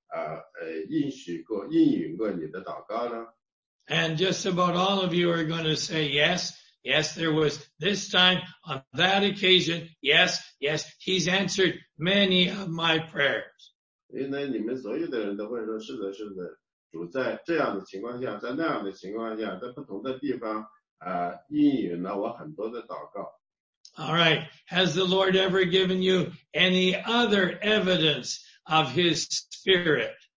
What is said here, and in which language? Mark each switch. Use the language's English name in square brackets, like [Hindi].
[Chinese] 因为我经常问这样的问题，主有没有应允过你的祷告呢？ [English] And just about all of you are going to say yes. Yes, there was this time, on that occasion, yes, yes, He's answered many of my prayers. [Chinese] 因为你们所有的人都会说，是的，是的。主在这样的情况下，在那样的情况下，在不同的地方，应允了我很多的祷告。 [English] All right. Has the Lord ever given you any other evidence of His Spirit?